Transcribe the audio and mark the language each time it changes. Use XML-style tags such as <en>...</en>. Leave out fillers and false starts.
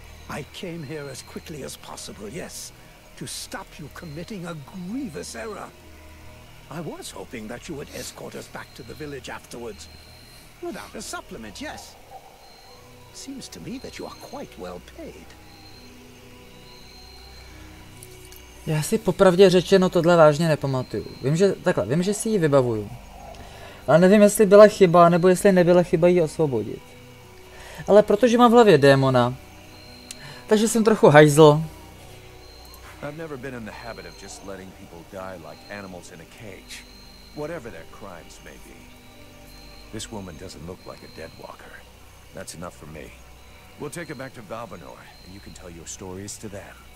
<en>I came here as quickly as possible, yes. To stop you committing a grievous error. I was hoping that you would escort us back to the village afterwards. Without a supplement, yes. Seems to me that you are quite well paid.</en> <cs>Já si popravdě řečeno tohle vážně nepamatuju. Vím, že si ji vybavuju. Ale nevím, jestli byla chyba, nebo jestli nebyla chyba ji osvobodit. Ale protože mám v hlavě démona, takže jsem trochu hajzl.</cs> <en>I've never been in the habit of just letting people die like animals in a cage, whatever their crimes may be. This woman doesn't look like a deadwalker. That's enough for me. We'll take her back to Valvanor, and you can tell your stories to them.</en>